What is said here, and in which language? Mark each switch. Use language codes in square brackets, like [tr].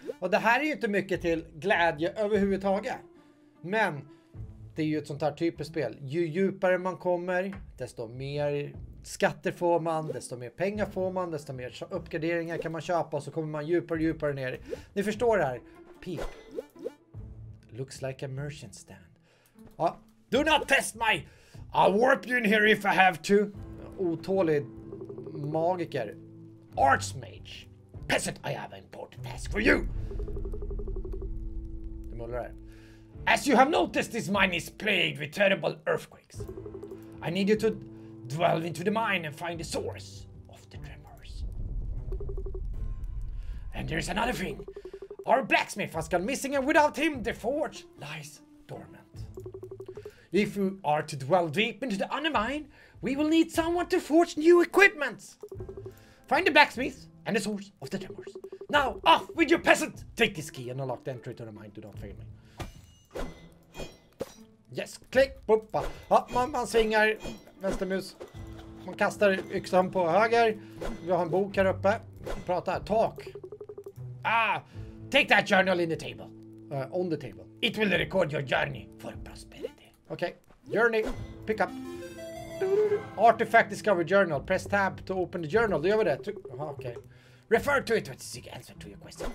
[sv] Och det här är ju inte mycket till glädje överhuvudtaget. Men det är ju ett sånt här typiskt spel. Ju djupare man kommer, desto mer skatter får man, desto mer pengar får man, desto mer uppgraderingar kan man köpa, och så kommer man djupare och djupare ner. Ni förstår det här. Peep. [en] Looks like a merchant stand. Ah, do not test my... I'll warp you in here if I have to. [sv] Otålig magiker. [en] Archmage. Peasant, I have an important task for you. [sv] Det mullar här. [en] As you have noticed, this mine is plagued with terrible earthquakes. I need you to dwell into the mine and find the source of the tremors. And there's another thing. Our blacksmith has gone missing, and without him, the forge lies dormant. If you are to dwell deep into the undermine, we will need someone to forge new equipment. Find the blacksmith and the source of the tremors. Now, off with you, peasant! Take this key and unlock the entry to the mine. Do not fail me. Yes, click, boppa. [sv] Ja, man svingar vänster mus. Man kastar yxan på höger. Vi har en bok här uppe. Prata, talk. [en] Ah, take that journal in the table. On the table. It will record your journey for prosperity. Okay, journey, pick up. Artifact discovery journal. Press tab to open the journal. [sv] Då gör vi det. [en] Okay. Refer to it to seek answer to your question.